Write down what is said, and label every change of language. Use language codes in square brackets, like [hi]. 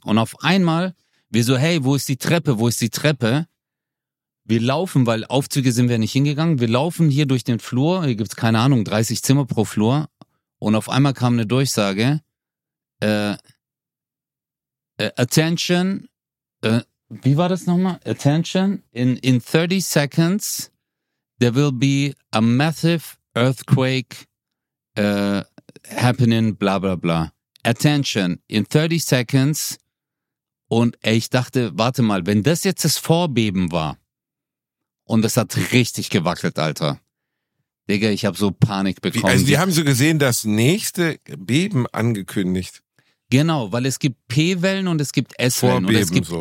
[de] Und auf einmal, wir so, hey, wo ist die Treppe? Wir laufen, weil Aufzüge sind wir nicht hingegangen, wir laufen hier durch den Flur, hier gibt's keine Ahnung, 30 Zimmer pro Flur und auf einmal kam eine Durchsage, [en] Attention, [de] wie war das nochmal? [en] Attention, in 30 seconds, there will be a massive earthquake happening, bla bla bla. Attention in 30 seconds. [de] Und ich dachte, warte mal, wenn das jetzt das Vorbeben war und das hat richtig gewackelt, Alter. Digga, ich habe so Panik bekommen. Wie, also die haben so gesehen, das nächste Beben angekündigt. Genau, weil es gibt P-Wellen und es gibt S-Wellen. Vorbeben, und es gibt so.